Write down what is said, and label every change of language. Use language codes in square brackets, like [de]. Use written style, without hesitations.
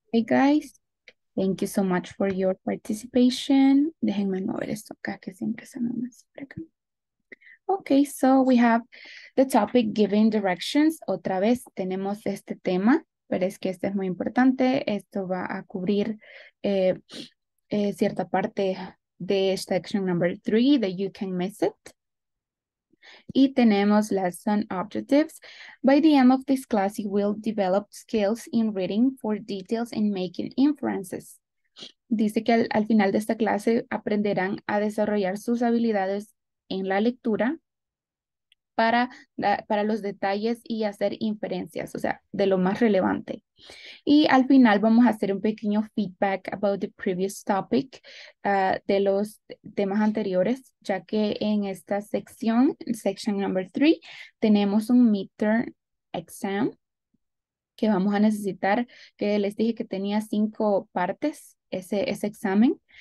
[en] Hey guys, thank you so much for your participation. [es] Déjenme mover esto acá que siempre se me hace. [en] Okay, so we have the topic giving directions. [es] Otra vez tenemos este tema, pero es que este es muy importante. Esto va a cubrir cierta parte de [en] section number 3, that you can miss it. [es] Y tenemos [en] lesson objectives. By the end of this class, you will develop skills in reading for details and making inferences. [es] Dice que al final de esta clase aprenderán a desarrollar sus habilidades en la lectura para los detalles y hacer inferencias, o sea, de lo más relevante. Y al final vamos a hacer un pequeño feedback [en] about the previous topic, [es] de los temas anteriores, ya que en esta sección, [en] section number 3, [es] tenemos un midterm exam que vamos a necesitar, que les dije que tenía cinco partes ese examen.